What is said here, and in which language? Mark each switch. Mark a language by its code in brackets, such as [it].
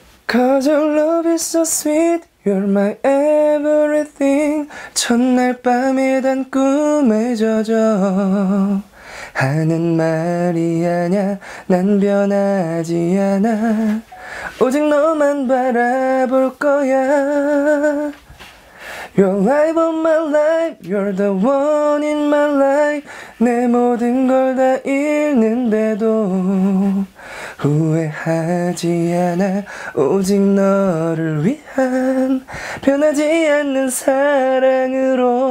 [en] 'Cause your love is so sweet, you're my everything. [ko] 첫날 밤에 단 꿈에 젖어 하는 말이 아냐, 난 변하지 않아. 오직 너만 바라볼 거야. [en] You're life of my life, you're the one in my life. [ko] 내 모든 걸다 잃는데도 후회하지 않아. 오직 너를 위한 변하지 않는 사랑으로.